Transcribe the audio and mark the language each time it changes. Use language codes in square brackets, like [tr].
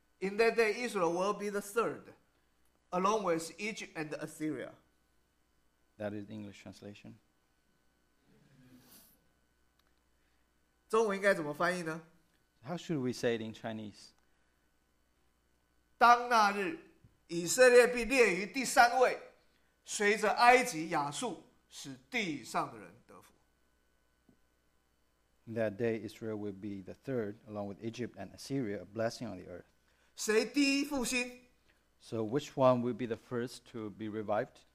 [en] In that day, Israel will be the third, along with Egypt and Assyria. That is the English translation. [zh] 中文应该怎么翻译呢？ [en] How should we say it in Chinese? [zh] 当那日，以色列必列于第三位，随着埃及、亚述，使地上的人。 [en] In that day, Israel will be the third, along with Egypt and Assyria, a blessing on the earth. [zh] 谁第一复兴? [en] So which one will be the first to be revived?